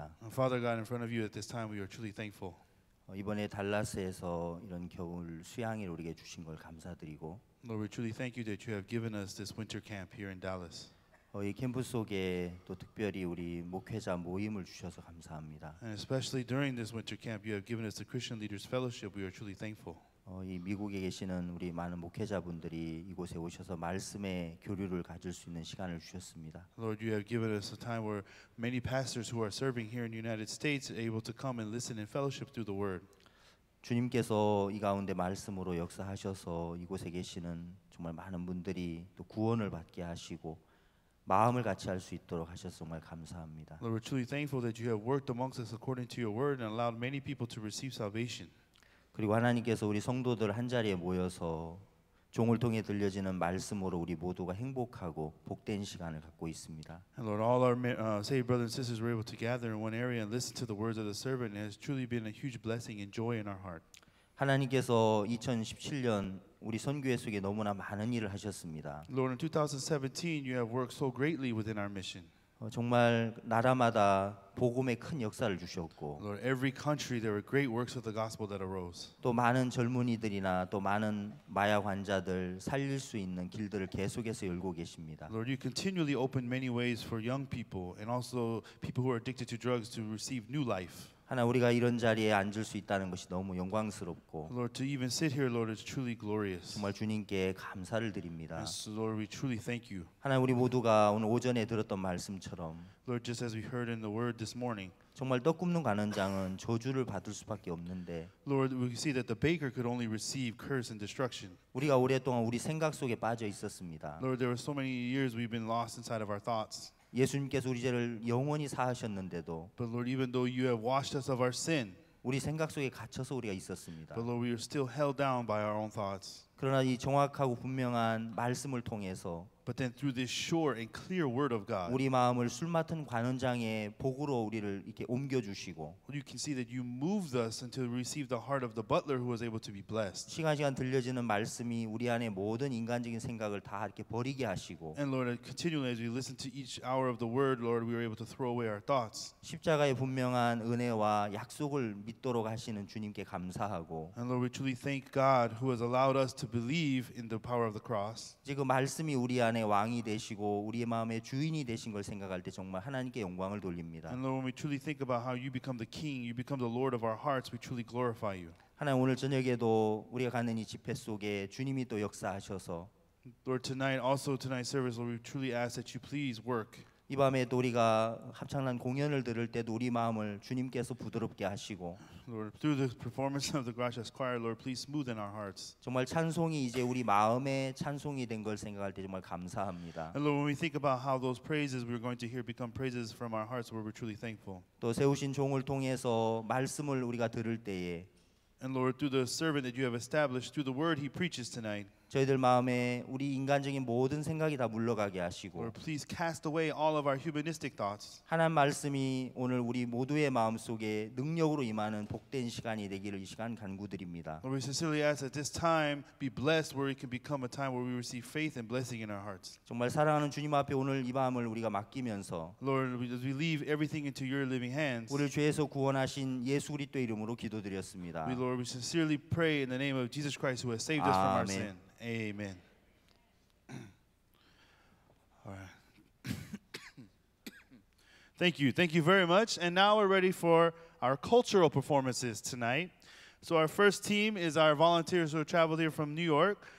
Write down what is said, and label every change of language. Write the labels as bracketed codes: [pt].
[en] Father God, in front of you at this time, we are truly thankful. [ko] 이번에 달라스에서 이런 겨울 수양을 우리에게 주신 걸 감사드리고. [en] Lord, we truly thank you that you have given us this winter camp here in Dallas. [ko] 이 캠프 속에 또 특별히 우리 목회자 모임을 주셔서 감사합니다. [en] And especially during this winter camp, you have given us the Christian Leaders Fellowship. We are truly thankful. [ko] 이 미국에 계시는 우리 많은 목회자분들이 이곳에 오셔서 말씀의 교류를 가질 수 있는 시간을 주셨습니다. [en] Lord, you have given us a time where many pastors who are serving here in the United States are able to come and listen in fellowship through the word. [ko] 주님께서 이 가운데 말씀으로 역사하셔서 이곳에 계시는 정말 많은 분들이 또 구원을 받게 하시고 마음을 같이 할 수 있도록 하셔서 정말 감사합니다. [en] Lord, we're truly thankful that you have worked amongst us according to your word and allowed many people to receive salvation. [ko] 그리고 하나님께서 우리 성도들 한 자리에 모여서 종을 통해 들려지는 말씀으로 우리 모두가 행복하고 복된 시간을 갖고 있습니다. [en] And Lord, all our saved brothers and sisters were able to gather in one area and listen to the words of the servant, and it has truly been a huge blessing and joy in our heart. [ko] 하나님께서 2017년 우리 선교회 속에 너무나 많은 일을 하셨습니다. [en] Lord, in 2017, you have worked so greatly within our mission. [ko] 정말 나라마다 복음의 큰 역사를 주셨고 [en] Lord, every country, there were great works of the gospel that arose. [ko] 또 많은 젊은이들이나 또 많은 마약 환자들 살릴 수 있는 길들을 계속해서 열고 계십니다. [en] Lord, you continually open many ways for young people and also people who are addicted to drugs to receive new life. [ko] 하나 우리가 이런 자리에 앉을 수 있다는 것이 너무 영광스럽고 [en] Lord, to even sit here, Lord, is truly glorious. [ko] 정말 주님께 감사를 드립니다. [en] Yes, Lord, we truly thank you. [ko] 하나 우리 모두가 오늘 오전에 들었던 말씀처럼 [en] Lord, just as we heard in the word this morning. [ko] 정말 떡 굽는 가난장은 저주를 받을 수밖에 없는데 [en] Lord, we see that the baker could only receive curse and destruction. [ko] 우리가 오랫동안 우리 생각 속에 빠져 있었습니다. [en] Lord, there were so many years we've been lost inside of our thoughts. [ko] 예수님께서 우리 죄를 영원히 사하셨는데도 [en] But Lord, even though you have washed us of our sin, [ko] 우리 생각 속에 갇혀서 우리가 있었습니다. [en] But Lord, we are still held down by our own thoughts. [ko] 그러나 이 정확하고 분명한 말씀을 통해서 [en] But then through this sure and clear word of God, [ko] 우리 마음을 술 맡은 관원장의 복으로 우리를 이렇게 옮겨 주시고 [en] You can see that you moved us until we received the heart of the butler who was able to be blessed. [ko] 시간 들려지는 말씀이 우리 안에 모든 인간적인 생각을 다 이렇게 버리게 하시고 [en] And Lord, continually as we listen to each hour of the word, Lord, we were able to throw away our thoughts. [ko] 십자가의 분명한 은혜와 약속을 믿도록 하시는 주님께 감사하고 [en] And Lord, we truly thank God who has allowed us to believe in the power of the cross. [ko] 지금 말씀이 우리 안에 왕이 되시고 우리의 마음의 주인이 되신 걸 생각할 때 정말 하나님께 영광을 돌립니다. [en] And Lord, when we truly think about how you become the king, you become the lord of our hearts, we truly glorify you. [ko] 하나님 오늘 저녁에도 우리가 가는 이 집회 속에 주님이 또 역사하셔서 [en] Lord, tonight also tonight's service Lord, we truly ask that you please work. [ko] 이 밤에 또 우리가 합창단 공연을 들을 때도 우리 마음을 주님께서 부드럽게 하시고 [en] Lord, through the performance of the Gracious Choir, Lord, please smoothen our hearts. [ko] 정말 찬송이 이제 우리 마음에 찬송이 된 걸 생각할 때 정말 감사합니다. [en] And Lord, when we think about how those praises we're going to hear become praises from our hearts, we're truly thankful. [ko] 또 세우신 종을 통해서 말씀을 우리가 들을 때에 [en] And Lord, through the servant that you have established, through the word he preaches tonight, [ko] 저희들 마음에 우리 인간적인 모든 생각이 다 물러가게 하시고 [en] Lord, please cast away all of our humanistic thoughts. [ko] 하나님 말씀이 오늘 우리 모두의 마음속에 능력으로 임하는 복된 시간이 되기를 이 시간 간구드립니다. [en] Lord, we sincerely ask that this time be blessed where it can become a time where we receive faith and blessing in our hearts. [ko] 정말 사랑하는 주님 앞에 오늘 이 마음을 우리가 맡기면서 [en] Lord, as we leave everything into your living hands. [ko] 우리를 죄에서 구원하신 예수 그리스도의 이름으로 기도드렸습니다. [en] Lord, we sincerely pray in the name of Jesus Christ who has saved us from our sin. Amen. All right. Thank you very much. And now we're ready for our cultural performances tonight. So our first team is our volunteers who traveled here from New York.